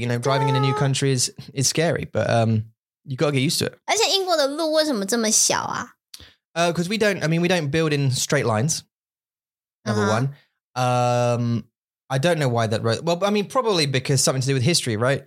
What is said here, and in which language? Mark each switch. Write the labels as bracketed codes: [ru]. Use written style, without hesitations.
[en] You know, driving in a new country is scary, but you got to get used to it. [zh] 而且英国的路为什么这么小啊? [en] Because we don't build in straight lines, number one. I don't know why that road. Well, I mean, probably because something to do with history, right?